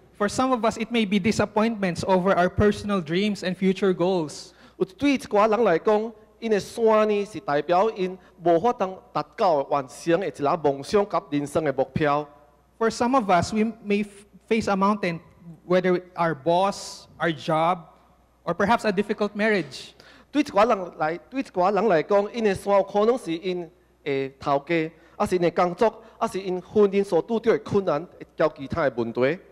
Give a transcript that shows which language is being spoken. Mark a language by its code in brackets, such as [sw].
[en] For some of us, it may be disappointments over our personal dreams and future goals. [nan] 对一寡人来讲， 因为山呢是代表因无法当达到完成的一个梦想甲人生的目标。 [en] For some of us, we may face a mountain, whether our boss, our job, or perhaps a difficult marriage. [nan] 对一寡人来讲，因为山可能是因诶头家，啊是因工作，啊是因婚姻所遇到的困难，交其他的问题。